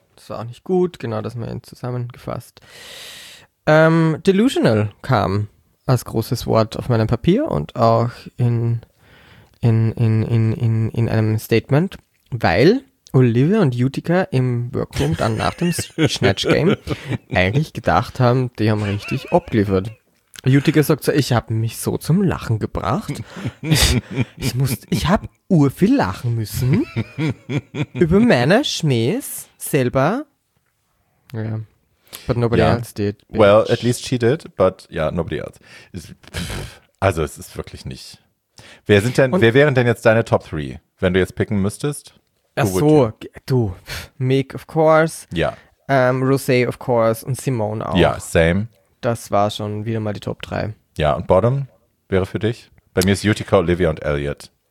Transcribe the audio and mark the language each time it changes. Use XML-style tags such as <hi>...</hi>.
<de>Das war auch nicht gut, genau, das haben wir zusammengefasst. Delusional kam als großes Wort auf meinem Papier und auch in einem Statement, weil Olivia und Utica im Workroom dann nach dem Snatch Game eigentlich gedacht haben, die haben richtig abgeliefert. Utica sagt so, ich habe mich so zum Lachen gebracht. Ich habe urviel lachen müssen über meine Schmähs selber.</de> <en>Ja, yeah. But nobody else did. Bitch. Well, at least she did, but yeah, nobody else.</en> <de>Also es ist wirklich nicht. Wer wären denn jetzt deine Top 3, wenn du jetzt picken müsstest? Ach so, du. Mick, of course. Ja. Yeah. Rosé, of course. Und Simone auch. Ja, yeah, same. Das war schon wieder mal die Top 3. Ja, und Bottom wäre für dich? Bei mir ist Utica, Olivia und Elliot.</de>